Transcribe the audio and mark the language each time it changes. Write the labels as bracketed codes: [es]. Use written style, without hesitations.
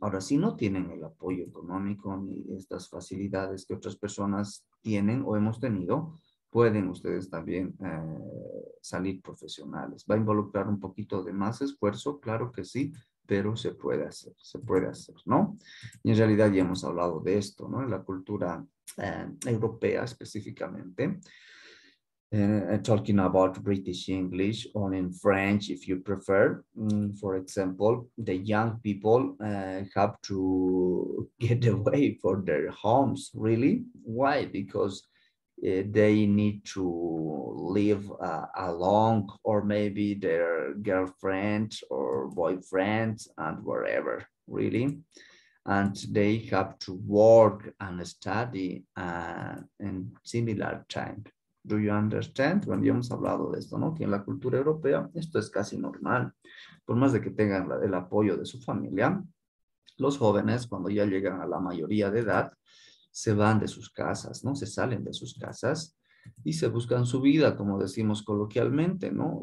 [es] Ahora, si no tienen el apoyo económico ni estas facilidades que otras personas tienen o hemos tenido, pueden ustedes también salir profesionales. ¿Va a involucrar un poquito de más esfuerzo? Claro que sí, pero se puede hacer, ¿no? Y en realidad ya hemos hablado de esto, ¿no? En la cultura europea específicamente. [en] Talking about British English or in French, if you prefer, for example, the young people have to get away from their homes, really. Why? Because they need to live alone, or maybe their girlfriend or boyfriend and whatever, really. And they have to work and study in similar time. Do you understand? [es] Bueno, ya hemos hablado de esto, ¿no? Que en la cultura europea esto es casi normal. Por más de que tengan el apoyo de su familia, los jóvenes cuando ya llegan a la mayoría de edad se van de sus casas, ¿no? Se salen de sus casas y se buscan su vida, como decimos coloquialmente, ¿no?